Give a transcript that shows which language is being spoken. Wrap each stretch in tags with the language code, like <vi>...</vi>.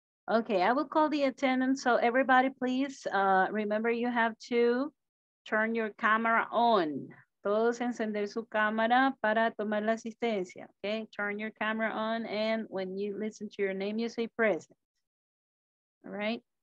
<en>Okay, I will call the attendance. So everybody, please remember you have to turn your camera on.</en> <es>Todos encender su cámara para tomar la asistencia.</es> <en>Okay, turn your camera on, and when you listen to your name, you say present. All right.</en>